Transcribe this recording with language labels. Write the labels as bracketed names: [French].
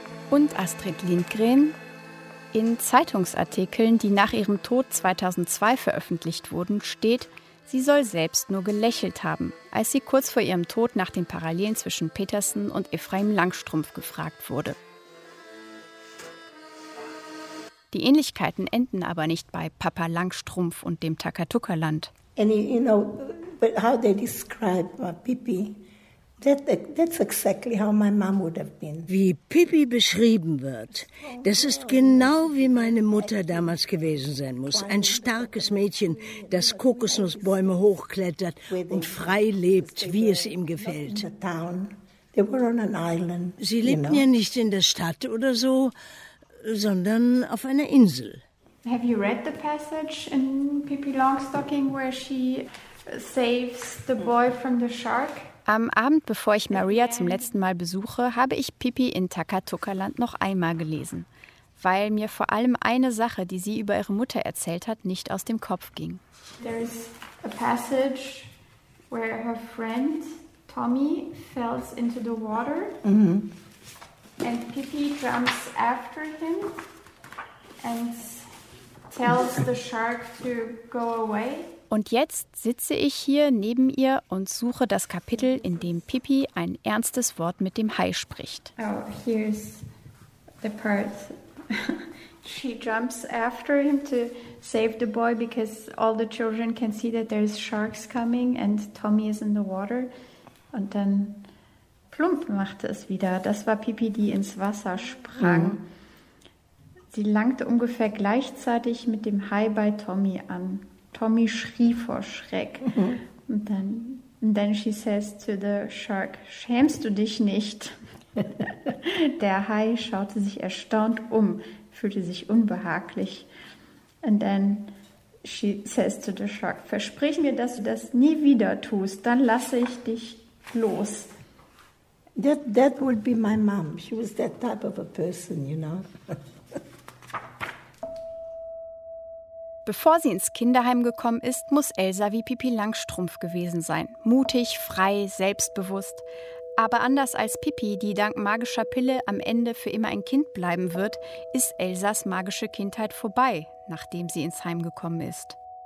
[German] Und Astrid Lindgren? In Zeitungsartikeln, die nach ihrem Tod 2002 veröffentlicht wurden, steht, sie soll selbst nur gelächelt haben, als sie kurz vor ihrem Tod nach den Parallelen zwischen Petersen und Efraim Langstrumpf gefragt wurde. Die Ähnlichkeiten enden aber nicht bei Papa Langstrumpf und dem Takatukka-Land. [English] And you know, but how they describe my Pippi, that's exactly how my mom would have been. [German] Wie Pippi beschrieben wird, das ist genau wie meine Mutter damals gewesen sein muss. Ein starkes Mädchen, das Kokosnussbäume hochklettert und frei lebt, wie es ihm gefällt. [English] They were on an island, [German] sie lebten ja nicht in der Stadt oder so, sondern auf einer Insel. [English] Have you read the passage in Pippi Longstocking where she saves the boy from the shark? [German] Am Abend, bevor ich Maria zum letzten Mal besuche, habe ich Pippi in Takatukka-Land noch einmal gelesen, weil mir vor allem eine Sache, die sie über ihre Mutter erzählt hat, nicht aus dem Kopf ging. [English] There's a passage where her friend Tommy falls into the water. Mm-hmm. And Pippi jumps after him and tells the shark to go away. [German] Und jetzt sitze ich hier neben ihr und suche das Kapitel, in dem Pippi ein ernstes Wort mit dem Hai spricht. [English] Oh, here's the part. She jumps after him to save the boy because all the children can see that there's sharks coming and Tommy is in the water. [German] Und dann plump machte es wieder. Das war Pippi, die ins Wasser sprang. Mhm. Sie langte ungefähr gleichzeitig mit dem Hai bei Tommy an. Tommy schrie vor Schreck. Mhm. Und dann [English] she says to the shark, [German] schämst du dich nicht? Der Hai schaute sich erstaunt um, fühlte sich unbehaglich. [English] And then she says to the shark, [German] versprich mir, dass du das nie wieder tust, dann lasse ich dich los. [English] That would be my mom. She was that type of a person, you know. [German] Bevor sie ins Kinderheim gekommen ist, muss Elsa wie Pippi Langstrumpf gewesen sein. Mutig, frei, selbstbewusst. Aber anders als Pippi, die dank magischer Pille am Ende für immer ein Kind bleiben wird, ist Elsas magische Kindheit vorbei, nachdem sie ins Heim gekommen ist.